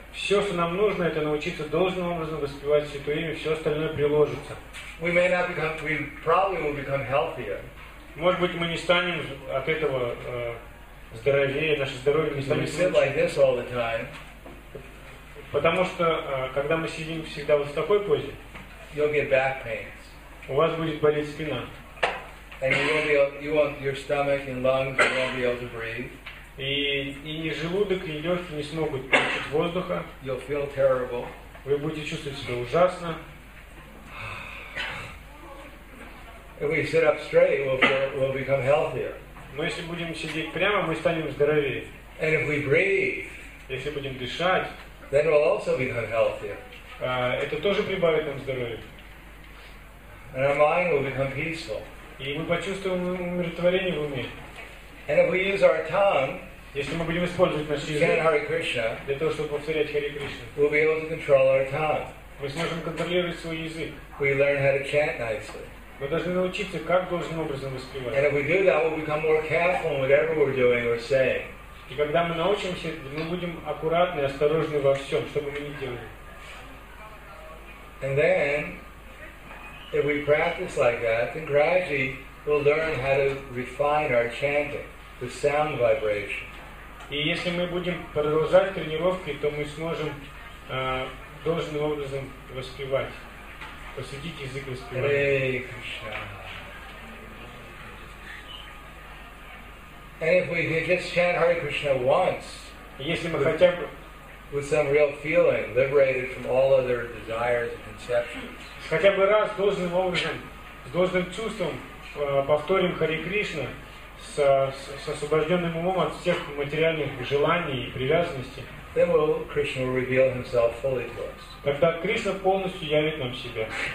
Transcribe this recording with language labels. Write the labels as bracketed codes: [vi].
[ru] Все, что нам нужно, это научиться должным образом воспевать святое имя, все остальное приложится. [en] We may not become, we probably will become healthier. [ru] Может быть, мы не станем от этого здоровее, наше здоровье не станет лучше. [en] We sit like this all the time. [ru] Потому что, когда мы сидим всегда вот в такой позе, [en] you'll get back pain. [ru] У вас будет болеть спина. [en] And you won't, your stomach and lungs won't be able to breathe. [ru] И ни желудок, ни легкие не смогут получить воздуха. [en] You'll feel terrible. [ru] Вы будете чувствовать себя ужасно. [en] If we sit up straight, we'll become healthier. [ru] Но если будем сидеть прямо, мы станем здоровее. [en] And if we breathe, [ru] если будем дышать, [en] then we'll also become healthier. [ru] Это тоже прибавит нам здоровья. [en] And our mind will become peaceful. [ru] И мы почувствуем умиротворение в уме. [en] And if we use our tongue, [ru] если мы будем использовать наш язык, [en] chant Hare Krishna, [ru] для того, чтобы повторять Hare Krishna, [en] we'll be able to control our tongue. [ru] Мы сможем контролировать свой язык. [en] We learn how to chant nicely. [ru] Мы должны научиться, как должным образом воспевать. [en] And if we do that, we'll become more careful in whatever we're doing or saying. [ru] И когда мы научимся, мы будем аккуратны, осторожны во всем, что бы мы ни делали. [en] And then. If we practice like that, then gradually we'll learn how to refine our chanting, the sound vibration. [ru] И если мы будем продолжать тренировки, то мы сможем должным образом воспевать, посвятить язык воспевания. [en] And if we just chant Hare Krishna once, [ru] Если мы хотя бы [en] with some real feeling, liberated from all other desires and conceptions. [ru] Хотя бы раз должным образом, с должным чувством повторим Харе Кришна с освобожденным умом от всех материальных желаний и привязанностей. [en] Then will Krishna reveal himself fully to us. [ru] Тогда Кришна полностью явит нам себя.